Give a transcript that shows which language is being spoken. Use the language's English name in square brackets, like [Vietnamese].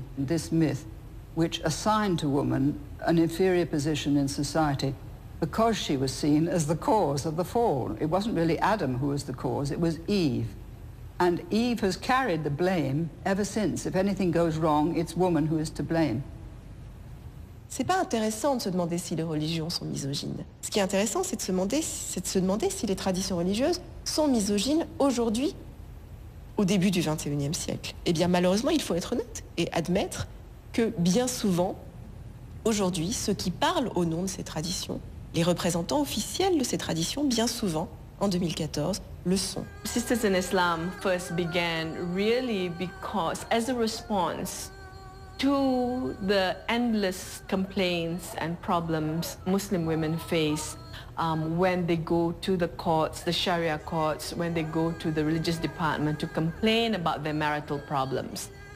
[English] This myth, which assigned to woman an inferior position in society because she was seen as the cause of the fall. It wasn't really Adam who was the cause, it was Eve. And Eve has carried the blame ever since. If anything goes wrong, it's woman who is to blame. [French] C'est pas intéressant de se demander si les religions sont misogynes. Ce qui est intéressant, c'est de se demander si les traditions religieuses sont misogynes aujourd'hui, au début du XXIe siècle. Eh bien, malheureusement, il faut être honnête et admettre que, bien souvent, aujourd'hui, ceux qui parlent au nom de ces traditions, les représentants officiels de ces traditions, bien souvent, en 2014, le sont. [English] Sisters in Islam first began really because, as a response, to the endless complaints and problems Muslim women face when they go to the courts, the Sharia courts, when they go to the religious department to complain about their marital problems.